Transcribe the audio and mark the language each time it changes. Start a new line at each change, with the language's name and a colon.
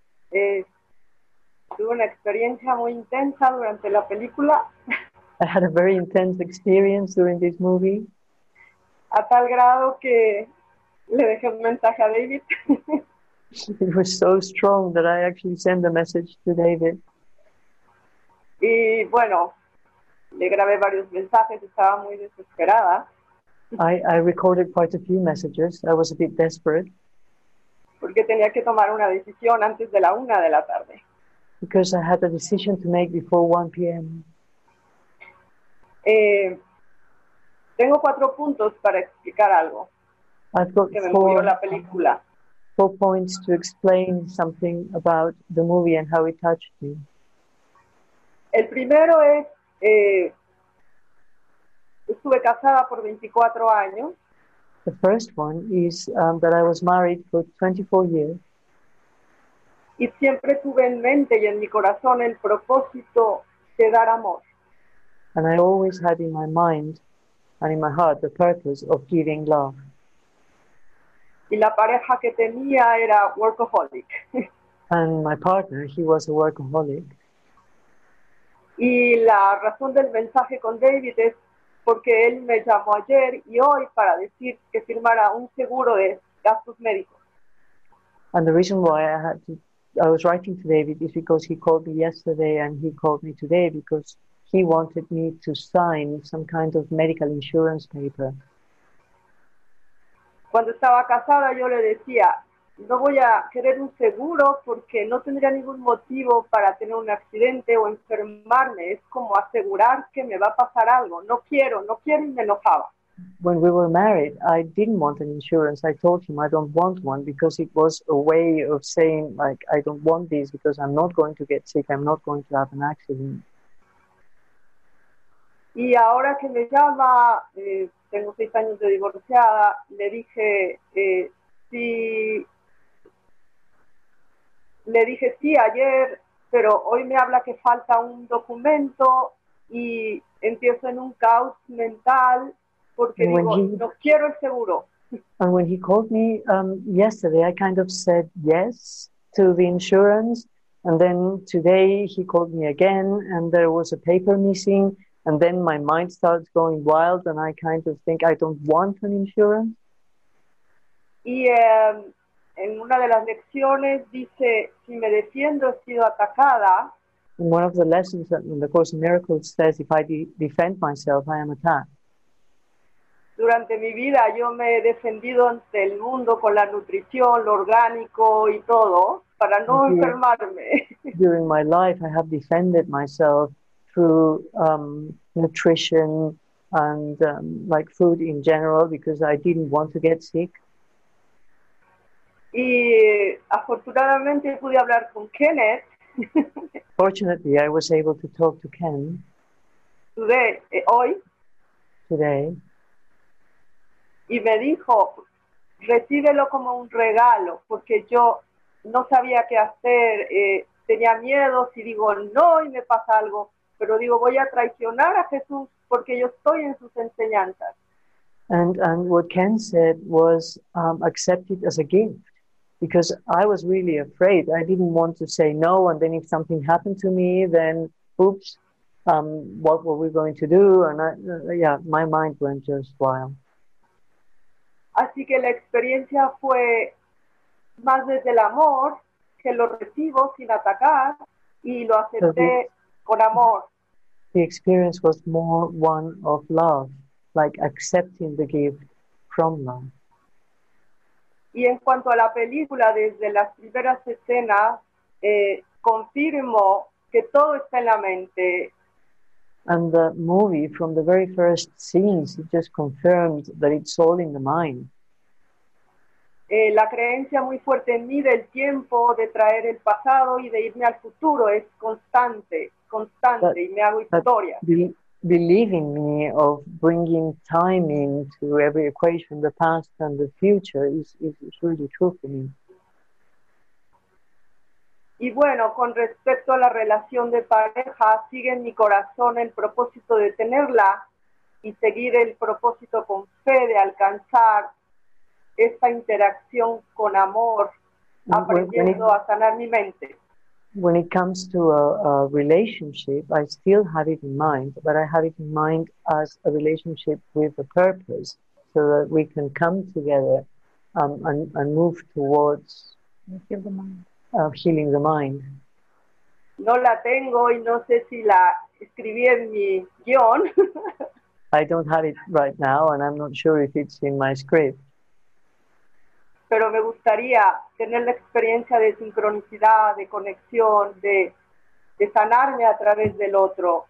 Spanish: Tuve una experiencia muy intensa durante la película.
English: I had a very intense experience during this movie.
Spanish: A tal grado que le dejé un mensaje a David.
English: It was so strong that I actually sent a message to David.
Spanish: Y bueno, le grabé varios mensajes, estaba muy desesperada.
English: I recorded quite a few messages, I was a bit desperate.
Spanish: Porque tenía que tomar una decisión antes de la una de la tarde.
English: Because I had a decision to make before 1 p.m.
Spanish: Tengo cuatro puntos para explicar algo que me movió la película.
English: Four points to explain something about the movie and how it touched me.
Spanish: El primero es, estuve casada por 24 años.
English: The first one is that I was married for 24 years.
Spanish: Y siempre tuve en mente y en mi corazón el propósito de dar amor.
English: And I always had in my mind and in my heart, the purpose of giving love.
Spanish: Y la pareja que tenía era workaholic.
English: And my partner, he was a workaholic.
Spanish: Y la razón del mensaje con David es porque él me llamó ayer y hoy para decir que firmara un seguro de gastos médicos.
English: And the reason why I was writing to David is because he called me yesterday and he called me today because he wanted me to sign some kind of medical insurance paper.
Spanish: Cuando estaba casada, yo le decía, no voy a querer un seguro porque no tendría ningún motivo para tener un accidente o enfermarme. Es como asegurar que me va a pasar algo. No quiero y me enojaba.
English: When we were married, I didn't want an insurance. I told him I don't want one because it was a way of saying, like, I don't want this because I'm not going to get sick. I'm not going to have an accident.
Spanish: Y ahora que me llama, tengo 6 años de divorciada, le dije sí ayer, pero hoy me habla que falta un documento y empiezo en un caos mental porque no quiero el seguro.
English: And when he called me yesterday, I kind of said yes to the insurance, and then today he called me again and there was a paper missing. And then my mind starts going wild and I kind of think I don't want an insurance.
Spanish: Y en una de las lecciones dice, si me defiendo, he sido atacada.
English: And one of the lessons in the Course in Miracles says, if I defend myself, I am attacked.
Spanish: durante mi vida yo me he defendido ante el mundo con la nutrición, lo orgánico y todo, para no enfermarme.
English: During my life I have defended myself through nutrition and like food in general because I didn't want to get sick.
Spanish: Y afortunadamente pude hablar con Kenneth.
English: Fortunately, I was able to talk to Ken. Today,
Spanish: hoy.
English: Today.
Spanish: Y me dijo, recíbelo como un regalo, porque yo no sabía qué hacer, tenía miedo, si digo no y me pasa algo, pero digo, voy a traicionar a Jesús porque yo estoy en sus enseñanzas.
English: And what Ken said was accepted as a gift. Because I was really afraid. I didn't want to say no, and then if something happened to me, then, oops, what were we going to do? And I, yeah, my mind went just wild.
Spanish: Así que la experiencia fue más desde el amor, que lo recibo sin atacar, y lo acepté con amor.
English: The experience was more one of love, like accepting the gift from love.
Spanish: Y en cuanto a la película, desde las primeras escenas, confirmo que todo está en la mente.
English: And the movie, from the very first scenes, it just confirmed that it's all in the mind.
Spanish: La creencia muy fuerte en mí del tiempo, de traer el pasado y de irme al futuro, es constante, constante, y me hago historia.
English: Believing me of bringing time into every equation, the past and the future, is really true for me.
Spanish: Y bueno, con respecto a la relación de pareja, sigue en mi corazón el propósito de tenerla y seguir el propósito con fe de alcanzar esta interacción con amor, aprendiendo a sanar mi mente.
English: When it comes to a relationship, I still have it in mind, but I have it in mind as a relationship with a purpose so that we can come together and move towards healing the mind.
Spanish: No la tengo y no sé si la escribí en mi guión.
English: I don't have it right now and I'm not sure if it's in my script.
Spanish: Pero me gustaría tener la experiencia de sincronicidad, de conexión, de sanarme a través del otro.